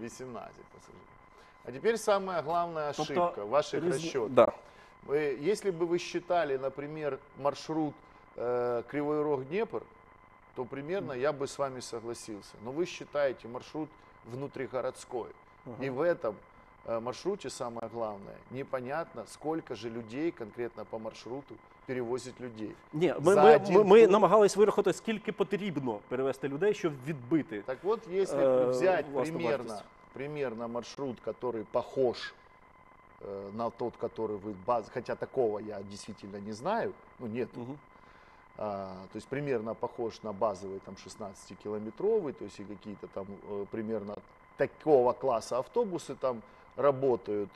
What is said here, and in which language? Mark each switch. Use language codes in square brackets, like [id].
[uk] 18 пасажирів. А тепер саме головна ошибка, тобто, ваших расчетів. Да. Якщо б ви вважали, наприклад, маршрут Кривий Рог-Дніпр, то примерно я би з вами согласився. Але ви вважаєте маршрут внутрігородський. [ru] Ага. І в цьому маршруте самое главное, непонятно, сколько же людей конкретно по маршруту перевозит людей. [uk] Не, мы намагались вырахувати, сколько потрібно перевести людей, щоб відбити. [ru] Так вот, если взять примерно маршрут, который похож на тот, который вы, хотя такого я действительно не знаю, ну, нет, угу. То есть примерно похож на базовый там 16-километровый, то есть и какие-то там примерно такого класса автобусы там работают.